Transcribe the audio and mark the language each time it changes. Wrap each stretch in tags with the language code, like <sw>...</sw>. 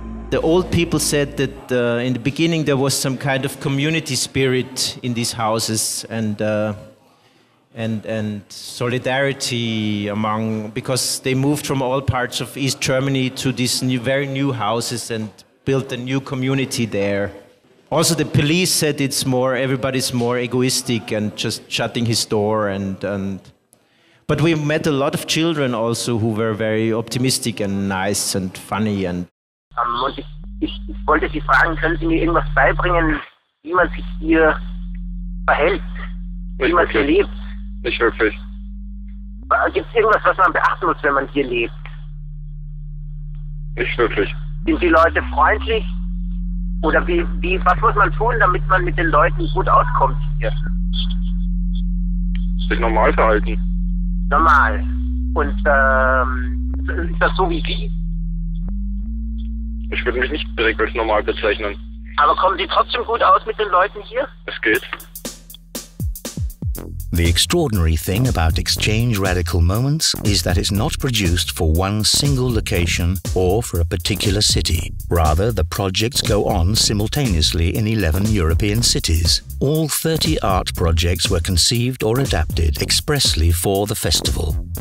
<en>The old people said that in the beginning there was some kind of community spirit in these houses and solidarity among, because they moved from all parts of East Germany to these new, very new houses and built a new community there. Also the police said it's more, everybody's more egoistic and just shutting his door and but we met a lot of children also who were very optimistic and nice and funny and</en> <de>Und ich wollte Sie fragen, können Sie mir irgendwas beibringen, wie man sich hier verhält, wie man hier lebt? Nicht wirklich. Gibt es irgendwas, was man beachten muss, wenn man hier lebt? Nicht wirklich. Sind die Leute freundlich? Oder was muss man tun, damit man mit den Leuten gut auskommt hier? Sich normal verhalten. Normal. Und ist das so wie Sie? Ich würde mich nicht direkt als normal bezeichnen. Aber kommen Sie trotzdem gut aus mit den Leuten hier? Es geht.</de> <en>The extraordinary thing about exchange radical moments is that it's not produced for one single location or for a particular city. Rather, the projects go on simultaneously in 11 European cities. All 30 art projects were conceived or adapted expressly for the festival.</en>